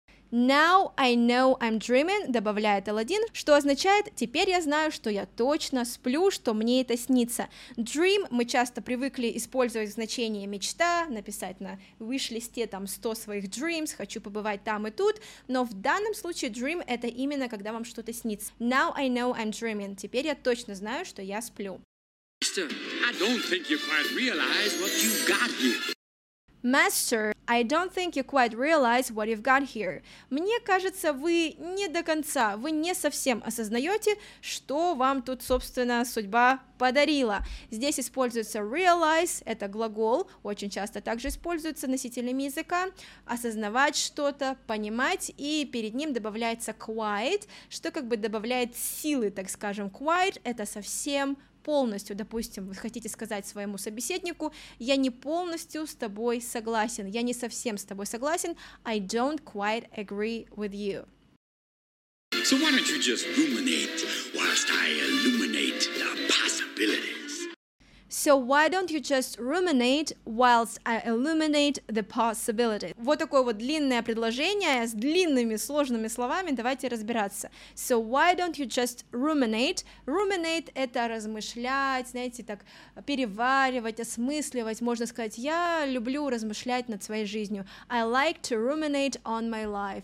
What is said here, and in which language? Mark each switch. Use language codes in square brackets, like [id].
[en] Now I know I'm dreaming, [ru] добавляет Аладдин, что означает, теперь я знаю, что я точно сплю, что мне это снится. Dream мы часто привыкли использовать в значении мечта, написать на wish-листе там 100 своих dreams, хочу побывать там и тут, но в данном случае dream это именно когда вам что-то снится. [en] Now I know I'm dreaming, [ru] теперь я точно знаю, что я сплю. [en] Master, I don't think you quite realize what you got here. Master, I don't think you quite realize what you've got here. [ru] Мне кажется, вы не до конца, вы не совсем осознаете, что вам тут, собственно, судьба подарила. Здесь используется realize, это глагол, очень часто также используется носителями языка, осознавать что-то, понимать, и перед ним добавляется quite, что как бы добавляет силы, так скажем. Quite — это совсем полностью, допустим, вы хотите сказать своему собеседнику, я не полностью с тобой согласен, я не совсем с тобой согласен, [en] I don't quite agree with you. So why don't you just ruminate whilst I illuminate the possibilities? So why don't you just ruminate whilst I illuminate the possibilities? [ru] Вот такое вот длинное предложение с длинными сложными словами, давайте разбираться. [en] So why don't you just ruminate? [ru] Ruminate — это размышлять, знаете, так переваривать, осмысливать, можно сказать, я люблю размышлять над своей жизнью. [en] I like to ruminate on my life.